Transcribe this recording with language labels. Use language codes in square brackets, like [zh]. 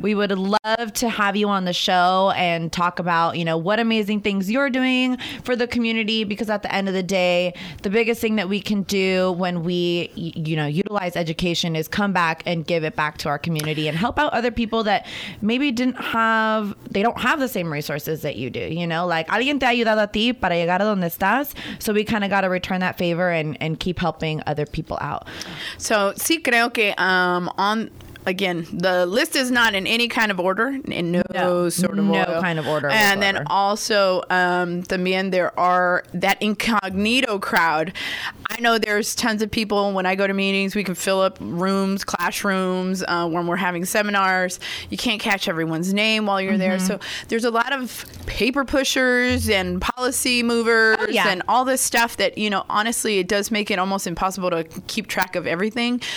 [en] We would love to have you on the show and talk about, you know, what amazing things you're doing for the community, because at the end of the day, the biggest thing that we can do when we, you know, utilize education is come back and give it back to our community and help out other people that maybe don't have the same resources that you do. You know, like, [es] alguien te ha ayudado a ti para llegar a donde estás. [en] So we kind of got to return that favor and keep helping other people out. So [es] sí, creo que [en] again, the list is not in any kind of order, in no kind of order. And then also, [es] también [en] there are that incognito crowd. I know there's tons of people. When I go to meetings, we can fill up rooms, classrooms, when we're having seminars. You can't catch everyone's name while you're there. So there's a lot of paper pushers and policy movers and all this stuff that, you know, honestly, it does make it almost impossible to keep track of everything.